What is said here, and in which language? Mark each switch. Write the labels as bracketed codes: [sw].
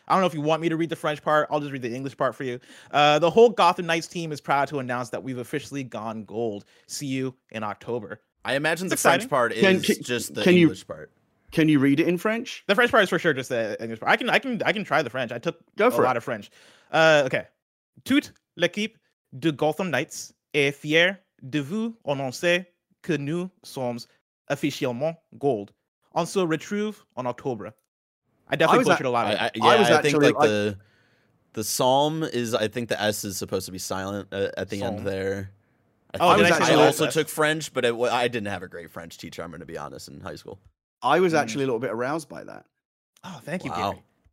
[en] I don't know if you want me to read the French part. I'll just read the English part for you. The whole Gotham Knights team is proud to announce that we've officially gone gold. See you in October. I imagine it's the exciting. French part is English part. Can you read it in French? The French part is for sure just the English part. I can try the French. I took lot of French. Okay. [fr] Toute l'équipe de Gotham Knights est fière de vous annoncer que nous sommes officiellement gold. On se retrouve en octobre. [en] I definitely butchered a lot of it. I think the psalm is, I think the S is supposed to be silent at the psalm. End there. I also took French, but I didn't have a great French teacher, I'm going to be honest, in high school. I was actually a little bit aroused by that. Oh, thank you, wow. Gary.